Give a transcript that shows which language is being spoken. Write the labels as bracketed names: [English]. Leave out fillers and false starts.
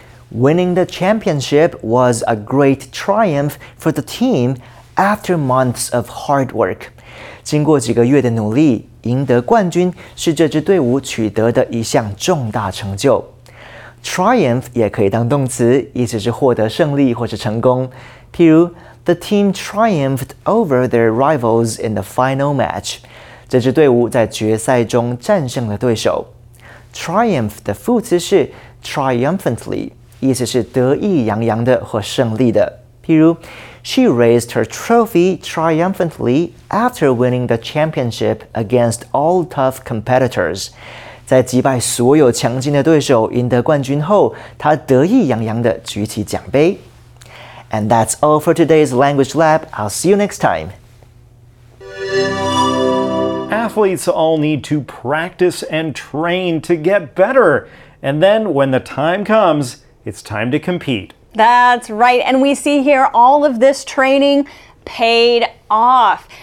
[English] Winning the championship was a great triumph for the team after months of hard work. [Chinese] 经过几个月的努力，赢得冠军是这支队伍取得的一项重大成就。 Triumph 也可以当动词，意思是获得胜利或是成功。譬如 [English] ,The team triumphed over their rivals in the final match. [Chinese] 这支队伍在决赛中战胜了对手。 Triumph 的副词是 triumphantly,意思是得意洋洋的或胜利的。譬如 [English] ,She raised her trophy triumphantly after winning the championship against all tough competitors. [Chinese] 在击败所有强劲的对手赢得冠军后，她得意洋洋的举起奖杯。 [English] And that's all for today's Language Lab. I'll see you next time. Athletes all need to practice and train to get better. And then when the time comes,It's time to compete. That's right. And we see here all of this training paid off.